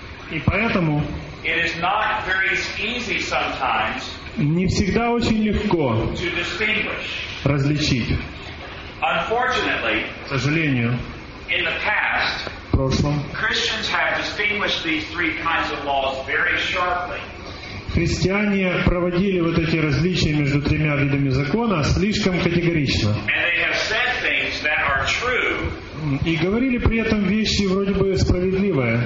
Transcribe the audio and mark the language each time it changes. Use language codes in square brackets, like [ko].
[ru] И поэтому не всегда очень легко различить. [en] Unfortunately, [ru] к сожалению, [en] in the past, [ru] в прошлом, [en] Christians have distinguished these three kinds of laws very sharply. [ru] Христиане проводили вот эти различия между тремя видами закона слишком категорично. [en] And they have said things that are true, [ru] и говорили при этом вещи вроде бы справедливые,